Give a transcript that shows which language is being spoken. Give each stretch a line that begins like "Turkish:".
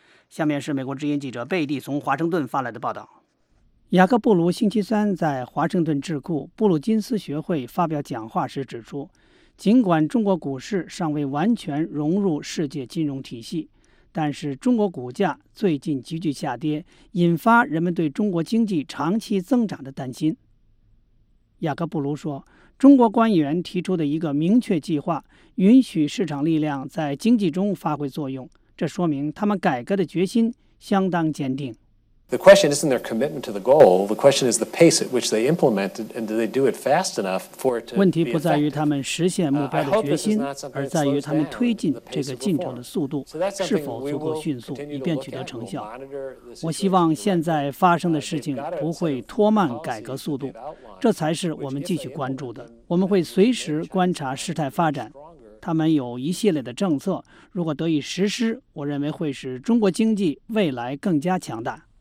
Chinese: 下面是美国之音记者贝蒂从华盛顿发来的报道。雅各布卢星期三在华盛顿智库布鲁金斯学会发表讲话时指出，尽管中国股市尚未完全融入世界金融体系，但是中国股价最近急剧下跌，引发人们对中国经济长期增长的担心。雅各布卢说，中国官员提出的一个明确计划，允许市场力量在经济中发挥作用，这说明他们改革的决心相当坚定。
English: The question isn't their commitment to the goal. The question is the pace at which they implemented, and do they do it fast enough for it to be effective?
Chinese: 问题不在于他们实现目标的决心，而在于他们推进这个进程的速度是否足够迅速，以便取得成效。我希望现在发生的事情不会拖慢改革速度，这才是我们继续关注的。我们会随时观察事态发展。他们有一系列的政策，如果得以实施，我认为会使中国经济未来更加强大。